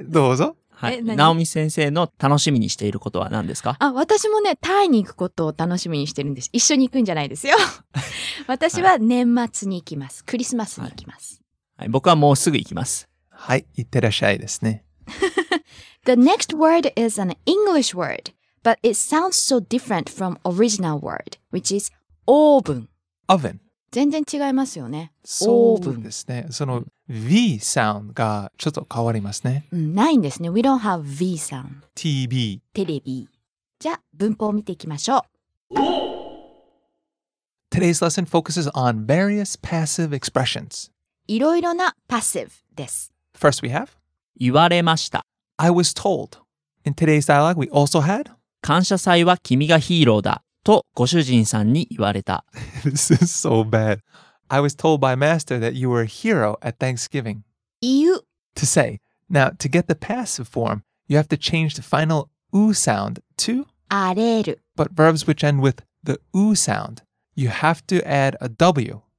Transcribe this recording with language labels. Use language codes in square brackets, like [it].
[ja] どうぞ。はい、ナオミ先生の楽しみにしていることは何ですか？あ、私もね、タイに行くことを楽しみにしてるんです。一緒に行くんじゃないですよ。私は年末に行きます。クリスマスに行きます。はい、はい、僕はもうすぐ行きます。はい、行ってらっしゃいですね。 [en] The next word is an English word, but it sounds so different from original word, which is oven. Oven. [ja] 全然違いますよね。そうですね。その V sound がちょっと変わりますね。うん、ないんですね。 [en] We don't have V sound. TV. [ja] テレビ。じゃあ文法を見ていきましょう。 [en] Today's lesson focuses on various passive expressions. [ja] いろいろな passive です。 [en] First we have [ja] 言われました。 [en] I was told. In today's dialogue we also had [ja] 感謝祭は君がヒーローだ。とご主人さんに言われた。 [en] This is so bad. I was told by master that you were a hero at Thanksgiving. [ja] 言う。 [en] To say. Now, to get the passive form, you have to change the final う sound to [ja] 荒れる。 [en] But verbs which end with the う sound, you have to add a w.